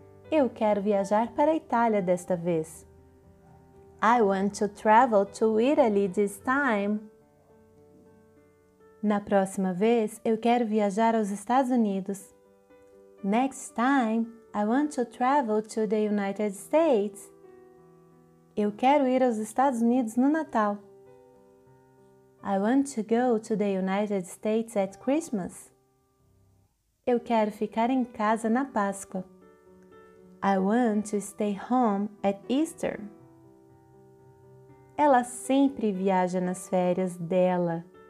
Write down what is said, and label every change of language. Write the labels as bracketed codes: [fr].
[pt] Eu quero viajar para a Itália desta vez. [en] I want to travel to Italy this time. [pt] Na próxima vez, eu quero viajar aos Estados Unidos. [en] Next time, I want to travel to the United States. [pt] Eu quero ir aos Estados Unidos no Natal. [en] I want to go to the United States at Christmas. [pt] Eu quero ficar em casa na Páscoa. [en] I want to stay home at Easter. [pt] Ela sempre viaja nas férias dela.